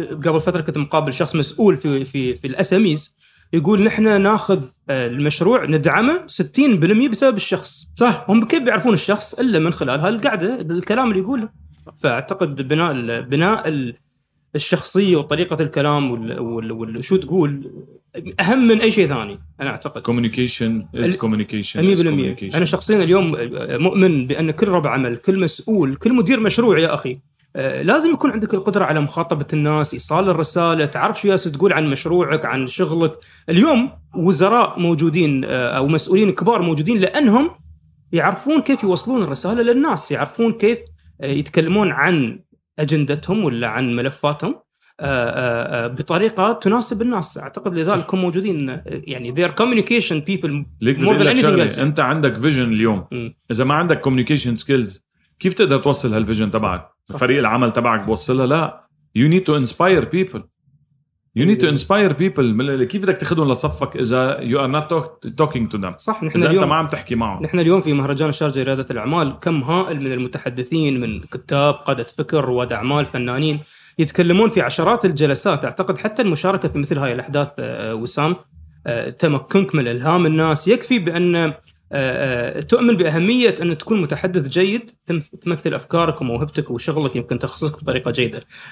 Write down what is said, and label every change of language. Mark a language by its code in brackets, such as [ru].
[ar] قبل فترة كنت مقابل شخص مسؤول في في في الأساميز, يقول نحن ناخذ المشروع ندعمه 60% بسبب الشخص. صح. هم كيف بيعرفون الشخص إلا من خلال هالقعدة الكلام اللي يقوله. فأعتقد بناء الشخصية وطريقة الكلام وشو تقول أهم من أي شيء ثاني. أنا أعتقد [en] communication is communication. [ar] 100% أنا شخصيا اليوم مؤمن بأن كل رب عمل, كل مسؤول, كل مدير مشروع يا أخي لازم يكون عندك القدرة على مخاطبة الناس, إيصال الرسالة, تعرف شو ياس تقول عن مشروعك, عن شغلك. اليوم وزراء موجودين أو مسؤولين كبار موجودين لأنهم يعرفون كيف يوصلون الرسالة للناس, يعرفون كيف يتكلمون عن أجندتهم ولا عن ملفاتهم بطريقة تناسب الناس. أعتقد لذلك هم موجودين, يعني [en] they are communication people more than anything else. [ar] أنت عندك vision اليوم, إذا ما عندك communication skills كيف تقدر توصل هالفيجن تبعك؟ فريق العمل تبعك بوصلها؟ لا, [en] you need to inspire people. You need to inspire people. [ar] كيف بدك تاخذهم لصفك إذا [en] you are not talking to them؟ [ar] صح. إذا اليوم أنت ما عم تحكي معهم. نحن اليوم في مهرجان الشارجة ريادة الأعمال كم هائل من المتحدثين, من كتاب, قادة فكر, رواد أعمال, فنانين يتكلمون في عشرات الجلسات. أعتقد حتى المشاركة في مثل هاي الأحداث وسام تمكنك من إلهام الناس, يكفي بأن تؤمن بأهمية أن تكون متحدث جيد تمثل أفكارك وموهبتك وشغلك, يمكن تخصصك بطريقة جيدة.